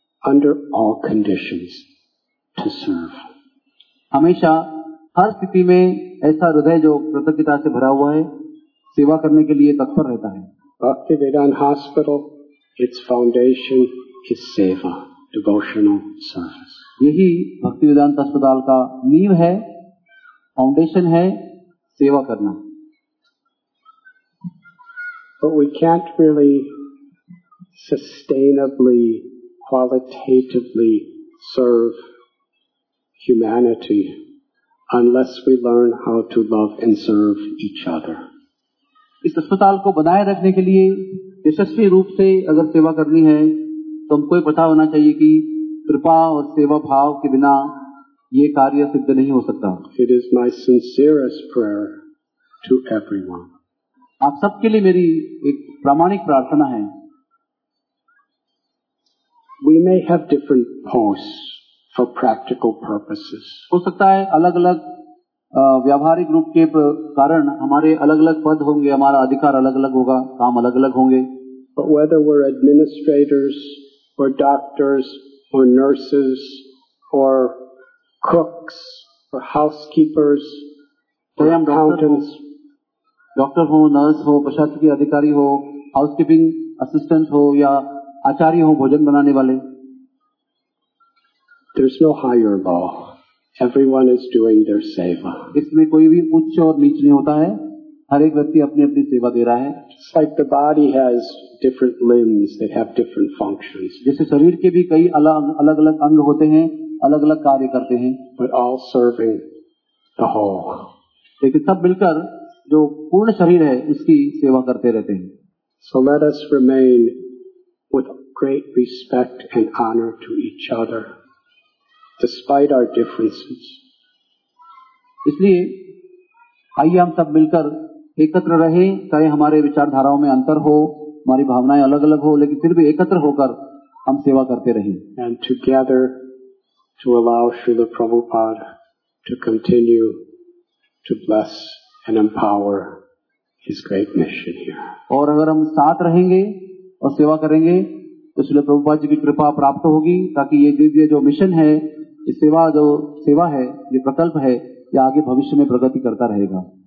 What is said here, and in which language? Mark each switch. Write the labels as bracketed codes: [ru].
[en] under all conditions to serve. [hi] हमेशा हर स्थिति में ऐसा हृदय जो कृतज्ञता से भरा हुआ है सेवा करने के लिए तत्पर रहता है. [en] Bhakti Vedanta hospital its foundation is seva, devotional service. [hi] यही भक्ति वेदांत अस्पताल का नींव है, फाउंडेशन है सेवा करना. [en] But we can't really sustainably qualitatively serve humanity unless we learn how to love and serve each other. [hi] इस अस्पताल को बनाए रखने के लिए यशस्वी रूप से अगर सेवा करनी है तो हमको ये पता होना चाहिए कि कृपा और सेवा भाव के बिना ये कार्य सिद्ध नहीं हो सकता. [en] It is my sincerest prayer to everyone. [hi] आप सबके लिए मेरी एक प्रामाणिक प्रार्थना है. [en] We may have different posts for practical purposes. [hi] हो सकता है अलग अलग व्यावहारिक रूप के कारण हमारे अलग अलग पद होंगे, हमारा अधिकार अलग अलग होगा, काम अलग अलग होंगे. [en] But whether we're administrators or doctors or nurses or cooks or housekeepers or accountants, [hi] doctor हो, नर्स हो, प्रशासकीय अधिकारी हो, हाउसकीपिंग असिस्टेंट हो या आचार्य हो, भोजन बनाने वाले, [en] there's no higher law. Everyone is doing their seva. [hi] इसमें कोई भी उच्च और नीच नहीं होता है, हर एक व्यक्ति अपनी अपनी सेवा दे रहा है. [en] Just like the body has different limbs that have different functions. [hi] जैसे शरीर के भी कई अलग अलग अंग होते हैं, अलग अलग कार्य करते हैं. [en] But all serving the whole. [hi] लेकिन सब मिलकर जो पूर्ण शरीर है उसकी सेवा करते रहते हैं. [en] So let us remain with great respect and honor to each other. Despite our differences. [hi] इसलिए आइए हम सब मिलकर एकत्र रहे, चाहे हमारे विचारधाराओं में अंतर हो, हमारी भावनाएं अलग अलग हो, लेकिन फिर भी एकत्र होकर हम सेवा करते रहें. [en] And together to allow Srila Prabhupada to continue to bless and empower his great mission here. [hi] और अगर हम साथ रहेंगे और सेवा करेंगे तो श्रील प्रभुपाद जी की कृपा प्राप्त होगी ताकि ये दिव्य जो मिशन है, सेवा जो सेवा है, ये प्रकल्प है, ये आगे भविष्य में प्रगति करता रहेगा.